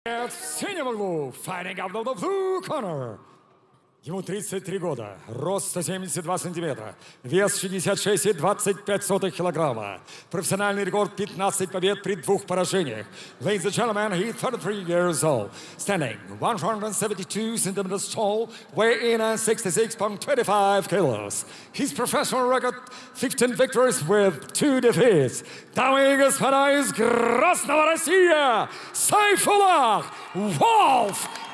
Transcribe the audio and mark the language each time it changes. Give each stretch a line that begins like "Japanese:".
Russian: От синего углу,
English: fighting out of the blue corner.
Russian: Ему 33 года, рост 172 сантиметра, вес 66,25 килограмма. Профессиональный рекорд 15 побед при 2 поражениях.
English: Ladies and gentlemen, he 33 years old. Standing 172 centimeters tall, weighing in at 66.25 kilos. His professional record 15 victories with 2 defeats.
Russian: Дамы и господа из Красного Россия, Сайфуллах Волф!